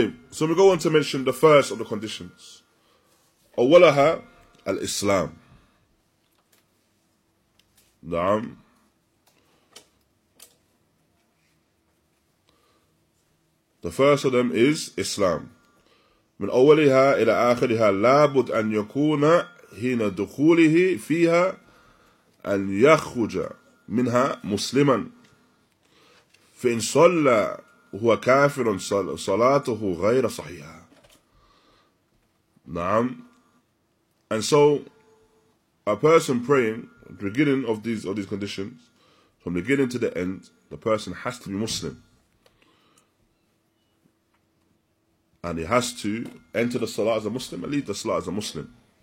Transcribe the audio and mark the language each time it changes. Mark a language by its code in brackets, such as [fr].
[en] So we go on to mention the first of the conditions. [ar] Awwalaha al-Islam. Naam. [en] The first of them is Islam. [ar] من أولها إلى آخرها لابد أن يكون حين دخوله فيها أن يخرج منها مسلما. فإن صلى هو كافر صلاته غير صحيحة. نعم. [en] And so, a person praying, beginning of these conditions, from beginning to the end, the person has to be Muslim. And he has to enter the Salah as a Muslim and leave the Salah as a Muslim.